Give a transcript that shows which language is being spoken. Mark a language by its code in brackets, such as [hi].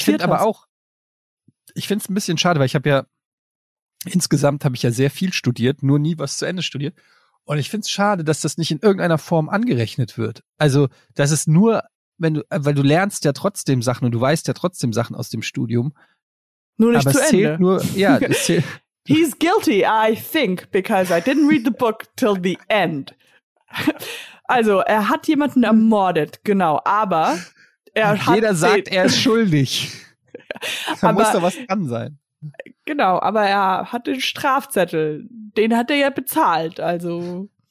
[de] Ich finde aber auch, ich finde es ein bisschen schade, weil ich habe ja, insgesamt habe ich ja sehr viel studiert, nur nie was zu Ende studiert. Und ich finde es schade, dass das nicht in irgendeiner Form angerechnet wird. Also, das ist nur, weil du lernst ja trotzdem Sachen und du weißt ja trotzdem Sachen aus dem Studium. Nur nicht aber zu Ende. Aber es zählt nur, ja, es zählt. [en] He's guilty, I think, because I didn't read the book till the end. [de] Also, er hat jemanden ermordet, genau, aber er ist schuldig. Da muss doch was dran sein. Genau, aber er hat den Strafzettel. Den hat er ja bezahlt, also.